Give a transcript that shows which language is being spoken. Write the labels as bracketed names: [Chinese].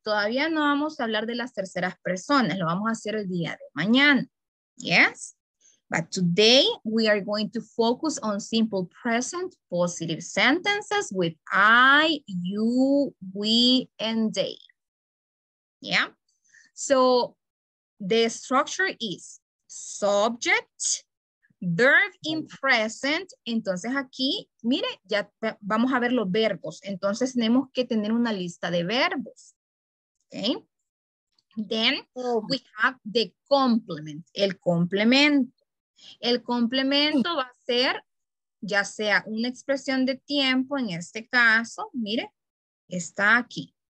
[Spanish] Todavía no vamos a hablar de las terceras personas. Lo vamos a hacer el día de mañana. [English] ¿Yes? But today we are going to focus on simple present positive sentences with I, you, we, and they. Yeah? So the structure is subject, verb in present. [Spanish] Entonces aquí, mire, ya vamos a ver los verbos. Entonces tenemos que tener una lista de verbos. Okay? [English] Then we have the complement, el complemento. [Spanish] El complemento va a ser ya sea una expresión de tiempo, en este caso, mire, está aquí.